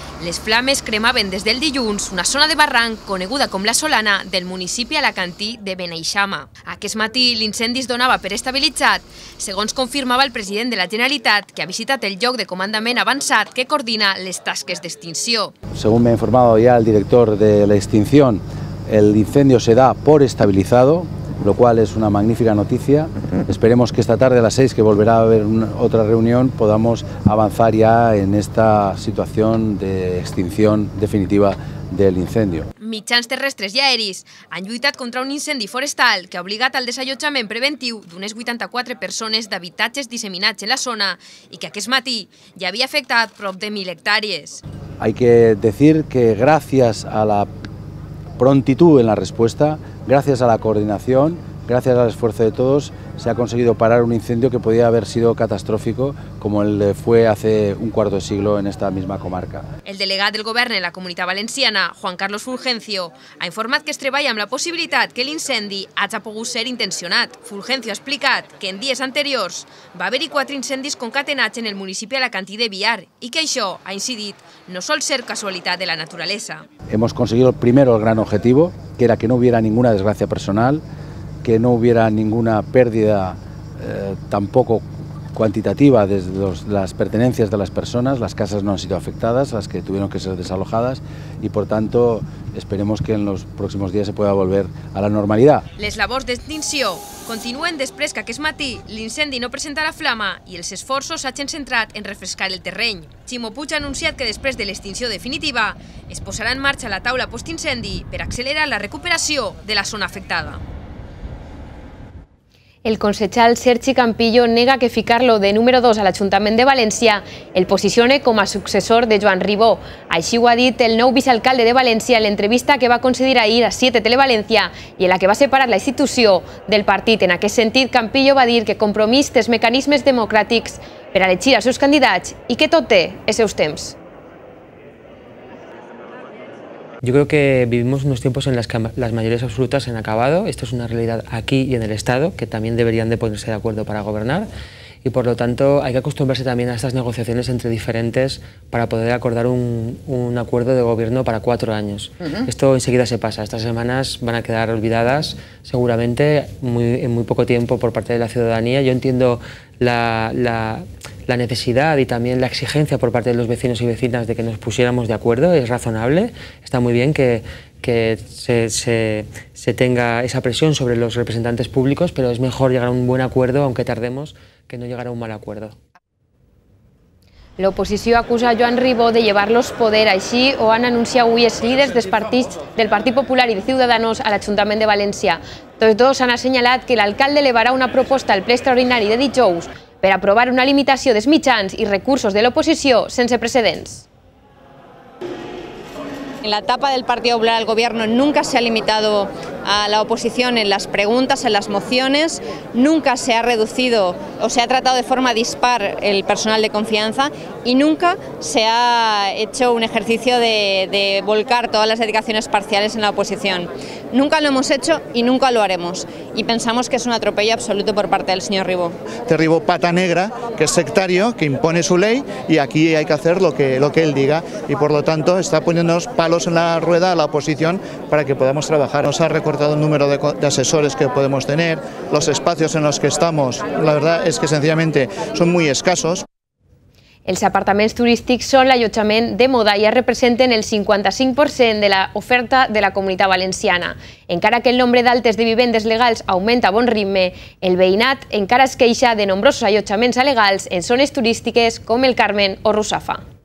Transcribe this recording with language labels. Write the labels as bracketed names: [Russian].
[Catalan] Les flames cremaven des del dilluns una zona de barranc coneguda com la Solana del municipi alacantí de Beneixama. Aquest matí l'incendi es donava per estabilitzat, segons confirmava el president de la Generalitat, que ha visitat el lloc de comandament avançat que coordina les tasques d'extinció. [Spanish] Según me ha informado ya el director de la extinción, el incendio se da por estabilizado, lo cual es una magnífica noticia. Esperemos que esta tarde a las 6, que volverá a haber otra reunión, podamos avanzar ya en esta situación de extinción definitiva del incendio. [Catalan] Mitjans terrestres i aeris han lluitat contra un incendi forestal que ha obligat al desallotjament preventiu d'unes 84 persones d'habitatges disseminats en la zona i que aquest matí ja havia afectat prop de 1.000 hectàrees. [Spanish] Hay que decir que gracias a la prontitud en la respuesta, gracias a la coordinación, gracias al esfuerzo de todos, se ha conseguido parar un incendio que podía haber sido catastrófico, como el fue hace un cuarto de siglo en esta misma comarca. [Catalan] El delegat del Govern en la Comunitat Valenciana, Juan Carlos Fulgencio, ha informat que es treballa amb la possibilitat que l'incendi hagi pogut ser intencionat. Fulgencio ha explicat que en dies anteriors va haver-hi 4 incendis concatenats en el municipi alacantí de Villar i que això ha incidit no sol ser casualitat de la naturalesa. [Spanish] Hemos conseguido primero el gran objetivo, que era que no hubiera ninguna desgracia personal, que no hubiera ninguna pérdida tampoco cuantitativa desde las pertenencias de las personas. Las casas no han sido afectadas, las que tuvieron que ser desalojadas, y por tanto esperemos que en los próximos días se pueda volver a la normalidad. [Catalan] Les labors d'extinció continuen després que aquest matí l'incendi no presentara flama i els esforços s'hagin centrat en refrescar el terreny. Ximo Puig ha anunciat que després de l'extinció definitiva es posarà en marxa la taula post-incendi per accelerar la recuperació de la zona afectada. El concejal Sergi Campillo nega que ficarlo de número 2 a l'Ajuntament de València el posicione com a successor de Joan Ribó. Així ho ha dit el nou vicealcalde de València en l'entrevista que va concedir ahir a 7 Televalència i en la que va separar la institució del partit. En aquest sentit, Campillo va dir que Compromís té els mecanismes democràtics per a elegir els seus candidats i que tot té els seus temps. [Spanish] Yo creo que vivimos unos tiempos en los que las mayorías absolutas se han acabado. Esto es una realidad aquí y en el Estado, que también deberían de ponerse de acuerdo para gobernar. Y por lo tanto hay que acostumbrarse también a estas negociaciones entre diferentes para poder acordar un acuerdo de gobierno para 4 años. Uh-huh. Esto enseguida se pasa. Estas semanas van a quedar olvidadas seguramente en muy poco tiempo por parte de la ciudadanía. Yo entiendo la necesidad y también la exigencia por parte de los vecinos y vecinas de que nos pusiéramos de acuerdo. Es razonable, está muy bien que se tenga esa presión sobre los representantes públicos, pero es mejor llegar a un buen acuerdo, aunque tardemos, que no llegara a un mal acuerdo. [Catalan] L'oposició acusa Joan Ribó de llevar-los poder. Així ho han anunciat avui els líders dels partits del Partit Popular i de Ciudadanos a l'Ajuntament de València. Tots dos han assenyalat que l'alcalde elevarà una proposta al ple extraordinari de dijous per aprovar una limitació dels mitjans i recursos de l'oposició sense precedents. [Spanish] En la etapa del Partido Popular al gobierno nunca se ha limitado a la oposición en las preguntas, en las mociones. Nunca se ha reducido o se ha tratado de forma dispar el personal de confianza y nunca se ha hecho un ejercicio de volcar todas las dedicaciones parciales en la oposición. Nunca lo hemos hecho y nunca lo haremos. Y pensamos que es un atropello absoluto por parte del señor Ribó. Este Ribó pata negra, que es sectario, que impone su ley y aquí hay que hacer lo que él diga. Y por lo tanto está poniéndonos palos en la rueda a la oposición para que podamos trabajar. Nos ha recortado el número de asesores que podemos tener, los espacios en los que estamos, la verdad es que sencillamente son muy escasos. [Catalan] Els apartaments turístics són l'allotjament de moda i es representen el 55% de l'oferta de la Comunitat Valenciana. Encara que el nombre d'altes de vivendes legals augmenta a bon ritme, el veïnat encara es queixa de nombrosos allotjaments il·legals en zones turístiques com el Carmen o Russafa.